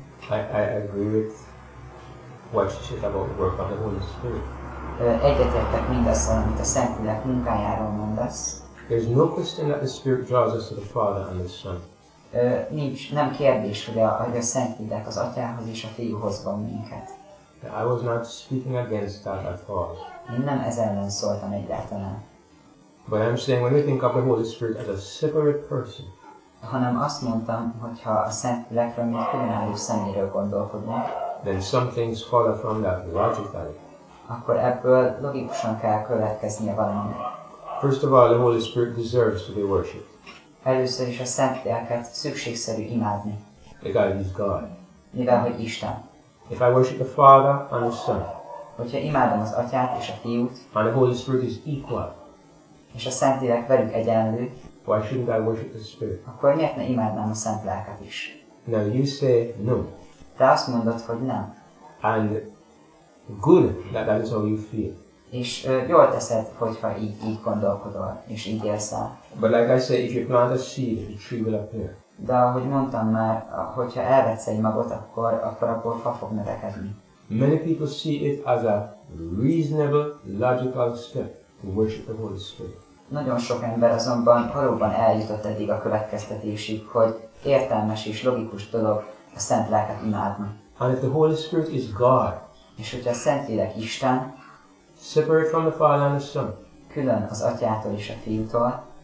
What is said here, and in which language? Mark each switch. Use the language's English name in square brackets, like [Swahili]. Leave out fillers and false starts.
[English] I agree with what you said about the work of the Holy Spirit. [Hungarian] Egyetértek mindazzal, amit a Szentlélek munkájáról mondasz. [English] There's no question that the Spirit draws us to the Father and the Son. [Hungarian] Nincs, nem kérdés, hogy a Szentlélek az Atyához és a Fiúhoz van minket. [English] I was not speaking against that at all. [Hungarian] Én nem ez ellen szóltam egyáltalán. [English] But I'm saying when we think of the Holy Spirit as a separate person. [Hungarian] Hanem azt mondtam, hogyha a Szentlélekről, mint különálló személyről gondolkodnak. [English] Then some things follow from that logically. [Hungarian] Akkor ebből logikusan kell következnie valami. [English] First of all, the Holy Spirit deserves to be worshipped. [Hungarian] Először is a Szentlélket szükségszerű imádni. [English] Because he is God. [Hungarian] Mivel hogy Isten. [English] If I worship the Father and the Son. [Hungarian] hogyha imádom az Atyát és a Fiút, [English] and the Holy Spirit is equal, [Hungarian] és a Szentlélek velük egyenlő, [English] why shouldn't I worship the Spirit? [Hungarian] Akkor miért ne imádnám a Szentlélekot is? [English] Now you say no. [Hungarian] Te azt mondod, hogy nem. [English] And good that that is how you feel. [Hungarian] És jól teszed, hogyha így gondolkodol, és így élsz el. [English] But like I say, if you plant a seed, the tree will appear. [Hungarian] De ahogy mondtam már, hogyha elvetsz egy magot, akkor abból fa fog növekedni. [English] Many people see it as a reasonable, logical step to worship the Holy Spirit. [Hungarian] Nagyon sok ember azonban valóban eljutott eddig a következtetésig, hogy értelmes és logikus dolog a Szent Lelket imádni. [English] And if the Holy Spirit is God, [Hungarian] és hogyha a Szentlélek Isten, [English] separate from the Father and the Son, [Hungarian] külön az Atyától és a Fiútól,